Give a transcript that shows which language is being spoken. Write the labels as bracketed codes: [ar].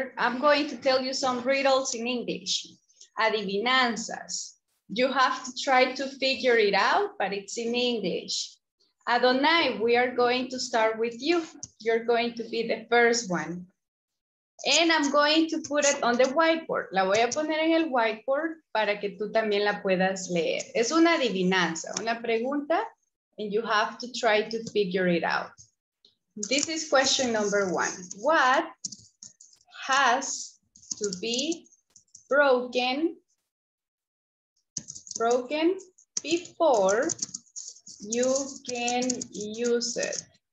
[en] I'm going to tell you some riddles in English. Adivinanzas. You have to try to figure it out, but it's in English. Adonai, we are going to start with you. You're going to be the first one. And I'm going to put it on the whiteboard. [es] La voy a poner en el whiteboard para que tú también la puedas leer. Es una adivinanza, una pregunta, [en] and you have to try to figure it out. This is question number one. What has to be broken before you can use it?